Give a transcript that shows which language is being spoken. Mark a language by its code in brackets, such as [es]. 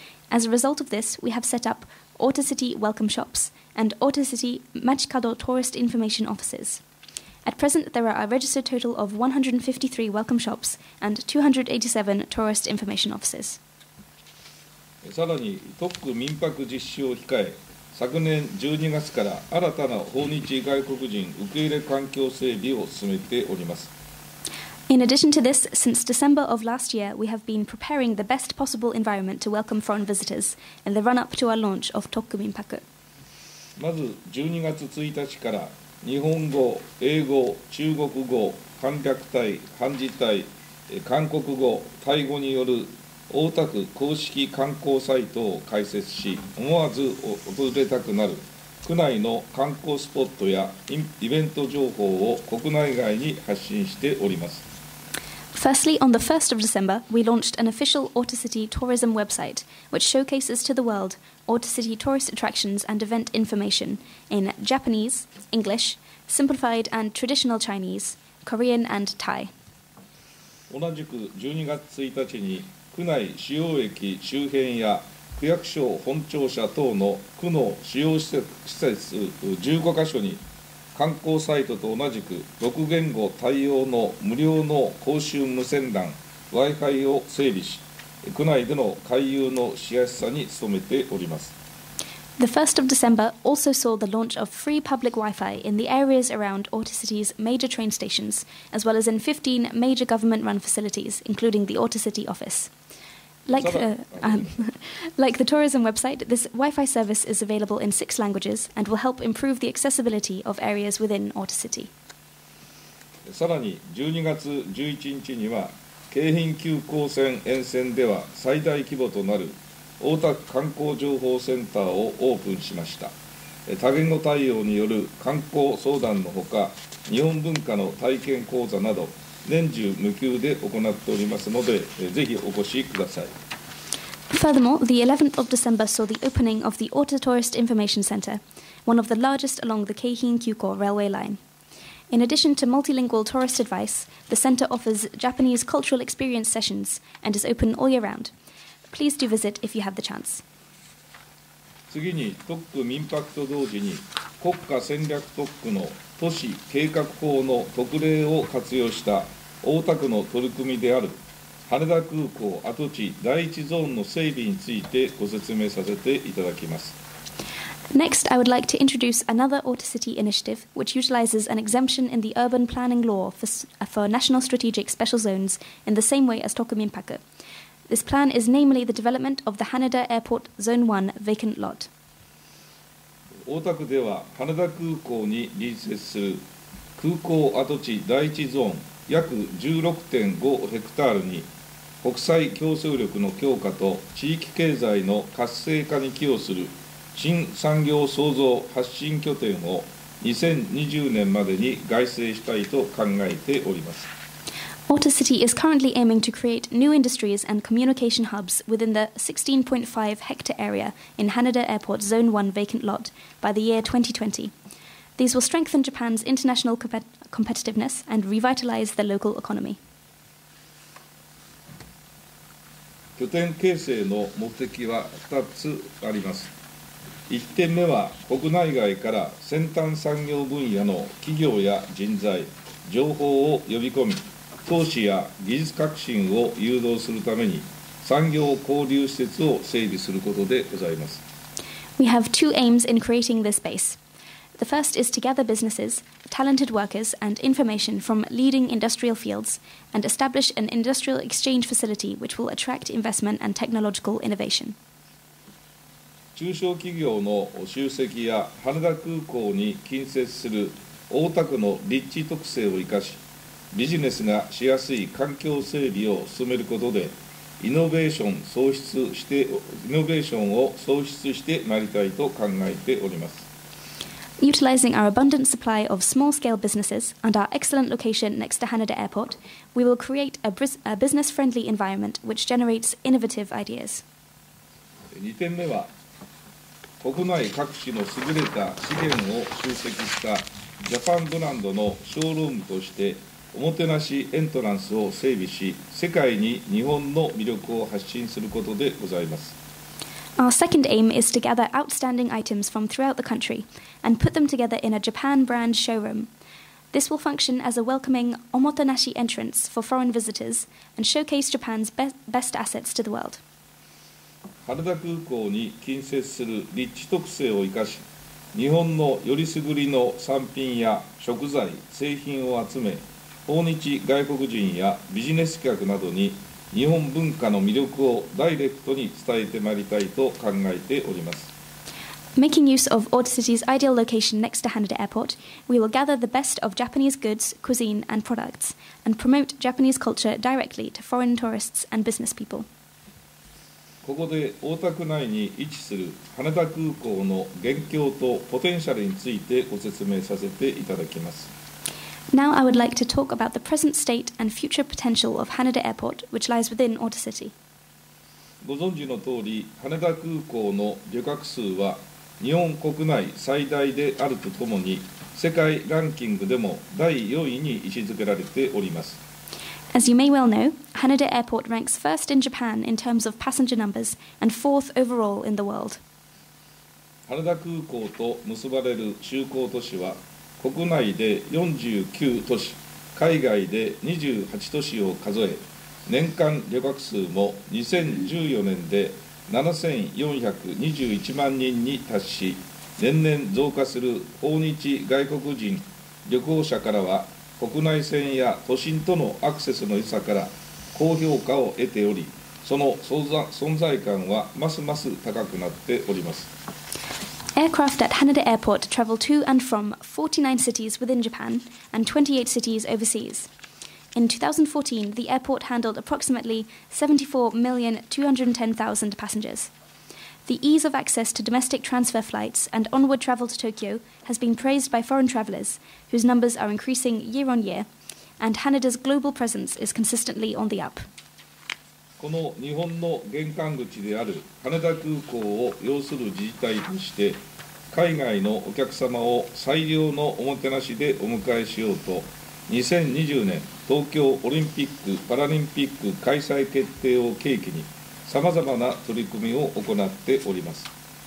[en] As a result of this, we have set up Ota City Welcome Shops and Ota City Machikado Tourist Information Offices. At present, there are a registered total of 153 Welcome Shops and 287 Tourist Information Offices. [ja] さらに特区民泊実施を控え、昨年12月から新たな訪日外国人受け入れ環境整備を進めております。 [en] In addition to this, since December of last year, we have been preparing the best possible environment to welcome foreign visitors in the run-up to our launch of 特区民泊。 [ja] まず12月1日から日本語、英語、中国語、簡略体、漢字体、韓国語、タイ語による大田区公式観光サイトを開設し、思わず訪れたくなる区内の観光スポットやイベント情報を国内外に発信しております。 [en] Firstly, on the 1st of December, we launched an official Ota City tourism website, which showcases to the world Ota City tourist attractions and event information in Japanese, English, simplified and traditional Chinese, Korean and Thai. [ja] 同じく12月1日に区内主要駅周辺や区役所本庁舎等の区の主要施設15箇所に観光サイトと同じく6言語対応の無料の公衆無線 LAN Wi-Fi を整備し、区内での回遊のしやすさに努めております。 [en] The 1st of December also saw the launch of free public Wi-Fi in the areas around Ota City's major train stations as well as in 15 major government run facilities including the Ota City officeLike the tourism website, this Wi-Fi service is available in 6 languages and will help improve the accessibility of areas within Ota City. [ja] さらに12月11日には京浜急行線沿線では最大規模となる大田区観光情報センターをオープンしました。多言語対応による観光相談のほか、日本文化の体験講座など年中無休で行っておりますので、ぜひお越しください。 [en] Furthermore, the 11th of December saw the opening of the Ota Tourist Information Center, one of the largest along the Keihin Kyuko railway line. In addition to multilingual tourist advice, the center offers Japanese cultural experience sessions and is open all year round. Please do visit if you have the chance. [ja] 次に、特区民泊と同時に国家戦略特区の都市計画法の特例を活用した大田区の取り組みである羽田空港跡地第一ゾーンの整備についてご説明させていただきます。 [en] Next, I would like to introduce another Ota City initiative, which utilizes an exemption in the urban planning law for national strategic special zones in the same way as Toku Minpaku. This plan is namely the development of the Haneda Airport Zone 1 vacant lot. [ja] 大田区では羽田空港に隣接する空港跡地第一ゾーン約 16.5 ヘクタールに国際競争力の強化と地域経済の活性化に寄与する新産業創造発信拠点を2020年までに外整したいと考えております。 [en] Ota City is currently aiming to create new industries and communication hubs within the 16.5 hectare area in Haneda Airport Zone 1 vacant lot by the year 2020. These will strengthen Japan's international competitiveness and revitalize the local economy. [ja] 拠点形成の目的は2つあります。 1点目は国内外から先端産業分野の企業や人材、情報を呼び込み、投資や技術革新を誘導するために産業交流施設を整備することでございます。 [en] We have two aims in creating this space. The first is to gather businesses, talented workers, and information from leading industrial fields and establish an industrial exchange facility which will attract investment and technological innovation. [ja] 中小企業の集積や羽田空港に近接する大田区の立地特性を生かし、ビジネスがしやすい環境整備を進めることで、イノベーションを創出してまいりたいと考えております。 [en] Utilizing our abundant supply of small-scale businesses and our excellent location next to Haneda Airport, we will create a business-friendly environment which generates innovative ideas. [ja] 2点目は、国内各地の優れた資源を集積したジャパンブランドのショールームとして、おもてなしエントランスを整備し、世界に日本の魅力を発信することでございます。 [en] Our second aim is to gather outstanding items from throughout the country and put them together in a Japan brand showroom. This will function as a welcoming omotenashi entrance for foreign visitors and showcase Japan's best assets to the world. [ja] 羽田空港に近接する立地特性を生かし、日本のよりすぐりの産品や食材、製品を集め、訪日外国人やビジネス客などに日本文化の魅力をダイレクトに伝えてまいりたいと考えております。 [en] Making use of Oda City's ideal location next to Haneda Airport, we will gather the best of Japanese goods, cuisine, and products, and promote Japanese culture directly to foreign tourists and business people. [ja] ここで大田区内に位置する羽田空港の現況とポテンシャルについてご説明させていただきます。 [en] Now I would like to talk about the present state and future potential of Haneda Airport, which lies within Oda City. [ja] ご存知の通り、羽田空港の旅客数は日本国内最大であるとともに、世界ランキングでも第4位に位置づけられております。 [en] As you may well know, Haneda Airport ranks first in Japan in terms of passenger numbers and fourth overall in the world. [ja] 羽田空港と結ばれる就航都市は、国内で49都市、海外で28都市を数え、年間旅客数も2014年で7421万人に達し、年々増加する訪日外国人旅行者からは、国内線や都心とのアクセスの良さから高評価を得ており、その存在感はますます高くなっております。 [en] Aircraft at Haneda Airport travel to and from 49 cities within Japan and 28 cities overseas. In 2014, the airport handled approximately 74,210,000 passengers. The ease of access to domestic transfer flights and onward travel to Tokyo has been praised by foreign travelers, whose numbers are increasing year on year, and Haneda's global presence is consistently on the up. [ja] この日本の玄関口である羽田空港を要する自治体として、海外のお客様を最良のおもてなしでお迎えしようと、2020年東京オリンピック・パラリンピック開催決定を契機に、さまざまな取り組みを行っております。